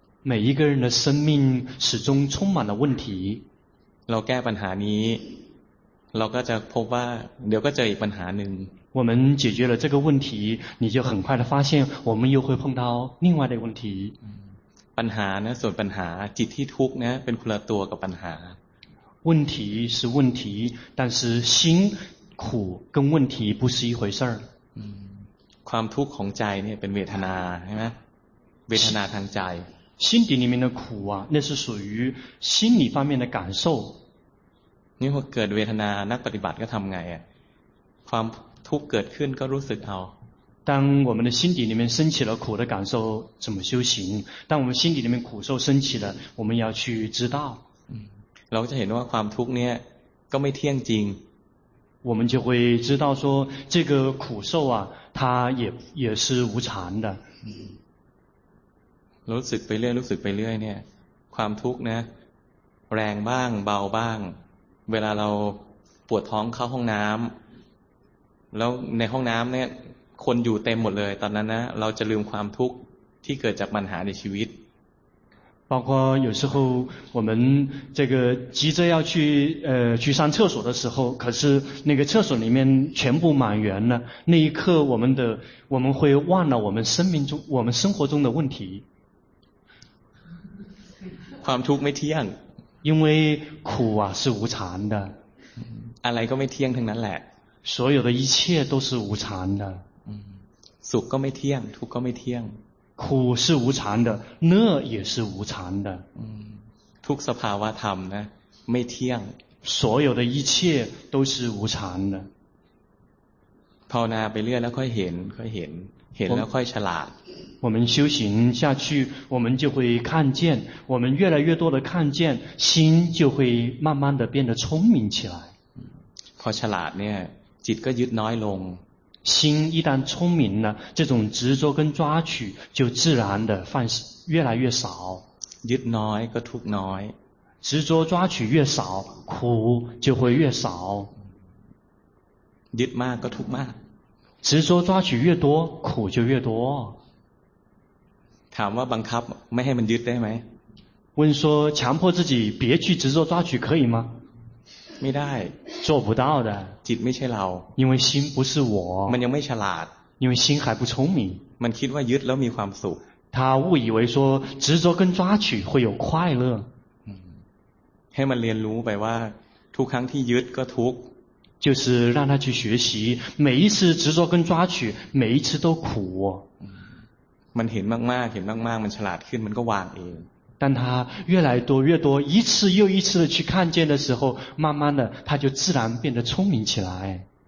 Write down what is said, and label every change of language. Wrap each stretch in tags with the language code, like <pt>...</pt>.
<zh>每一个人的生命始终充满了问题</zh> <th>เราแก้ปัญหานี้เราก็จะพบว่าเดี๋ยวก็เจออีกปัญหาหนึ่ง</th> <zh>我们解决了这个问题你就很快的发现我们又会碰到另外的问题</zh> <th>ปัญหานะส่วนปัญหาจิตที่ทุกข์นะเป็นคนละตัวกับปัญหา</th> <zh>问题是问题但是心苦跟问题不是一回事</zh> <th>ความทุกข์ของใจเนี่ยเป็นเวทนาใช่ไหมเวทนาทางใจ</th> <zh>心底里面的苦啊那是属于心理方面的感受</zh> <th>นี่พอเกิดเวทนานักปฏิบัติก็ทำไงอ่ะความทุกข์เกิดขึ้นก็รู้สึกเอา</th> <zh>当我们的心底里面升起了苦的感受怎么修行当我们心底里面苦受升起了我们要去知道</zh> <th>เราจะเห็นว่าความทุกข์เนี่ยก็ไม่เที่ยงจริง</th> <zh>我们就会知道说这个苦受啊它也是无常的</zh> <th>รู้สึกไปเรื่อยรู้สึกไปเรื่อยเนี่ยความทุกข์นะแรงบ้างเบาบ้างเวลาเราปวดท้องเข้าห้องน้ำแล้วในห้องน้ำเนี่ยคนอยู่เต็มหมดเลยตอนนั้นนะเราจะลืมความทุกข์ที่เกิดจากปัญหาในชีวิต</th> <zh>包括有时候我们这个急着要去上厕所的时候可是那个厕所里面全部满员了那一刻我们会忘了我们生活中的问题</zh> <th>ความทุกข์ไม่เที่ยง</th> <zh>因为苦啊是无常的</zh> <th>อะไรก็ไม่เที่ยงทั้งนั้นแหละ</th> <zh>所有的一切都是无常的</zh> <th>สุขก็ไม่เที่ยงทุกข์ก็ไม่เที่ยง</th> <zh>苦是无常的乐也是无常的</zh> <th>ทุกสภาวะธรรมนะไม่เที่ยง</th> <zh>所有的一切都是无常的</zh> <th>ภาวนาไปเรื่อยแล้วค่อยเห็นค่อยเห็นเห็นแล้วค่อยฉลาด</th> <zh>我们修行下去我们就会看见我们越来越多的看见心就会慢慢的变得聪明起来</zh> <th>พอฉลาดเนี่ยจิตก็ยึดน้อยลง</th> <zh>心一旦聪明了这种执着跟抓取就自然的放越来越少</zh> <th>ยึดน้อยก็ทุกน้อย</th> <zh>执着抓取越少苦就会越少</zh> <th>ยึดมากก็ทุกมาก</th> <zh>执着抓取越多苦就越多</zh> <th>ถามว่าบังคับไม่ให้มันยึดได้ไหม</th> <zh>问说强迫自己别去执着抓取可以吗</zh> <th>ไม่ได้</th> <zh>做不到的</zh> <th>จิตไม่ใช่เรา</th> <zh>因为心不是我</zh> <th>มันยังไม่ฉลาด</th> <zh>因为心还不聪明</zh> <th>มันคิดว่ายึดแล้วมีความสุข</th> <zh>他误以为说执着跟抓取会有快乐</zh> <th>ให้มันเรียนรู้ไปว่าทุกครั้งที่ยึดก็ทุกข์</th> <zh>就是让他去学习每一次执着跟抓取每一次都苦</zh> <th>มันเห็นมากๆเห็นมากๆมันฉลาดขึ้นมันก็วางเอง</th> <zh>当他越来多越多一次又一次的去看见的时候慢慢的他就自然变得聪明起来</zh>